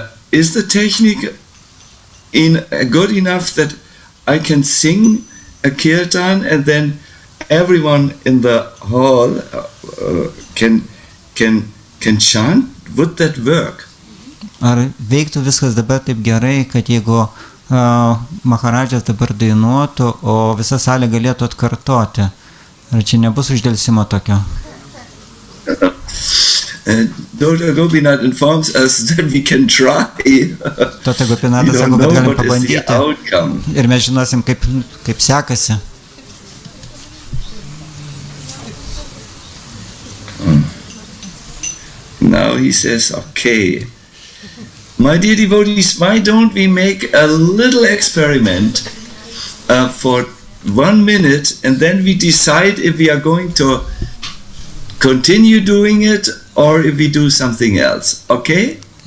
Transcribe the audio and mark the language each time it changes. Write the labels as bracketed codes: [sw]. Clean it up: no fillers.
[en] Is the technique good enough that I can sing a kirtan and then everyone in the hall can chant? Would that work? [lt] Ar veiktų viskas dabar taip gerai, kad jeigu Maharadžas dabar dainuotų, o visa salė galėtų atkartoti? Ar čia nebus uždelsimo tokio? [en] Tota Gopinath informs us that we can try. [lt] Tota Gopinath sako, kad galim pabandyti. Ir mes žinosim, kaip sekasi. [en] Now he says, okay. My dear devotees, why don't we make a little experiment for 1 minute and then we decide if we are going to continue doing it or if we do something else, okay?